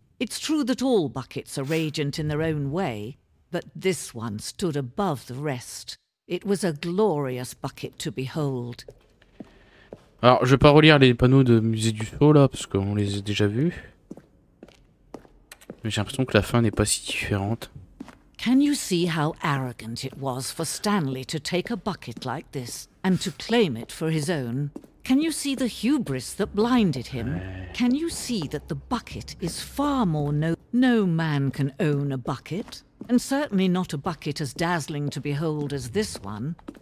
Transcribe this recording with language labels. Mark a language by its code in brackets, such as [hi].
[en] It's true that all buckets are radiant in their own way, but this one stood above the rest. It was a glorious bucket to behold. [fr] Alors, je vais pas relire les panneaux de Musée du Sceau, là, parce qu'on les a déjà vus. Mais j'ai l'impression que la fin n'est pas si différente. [en] Can you see how arrogant it was for Stanley to take a bucket like this and to claim it for his own? Can you see the hubris that blinded him? Can you see that the bucket is far more no man can own a bucket, and certainly not a bucket as dazzling to behold as this one.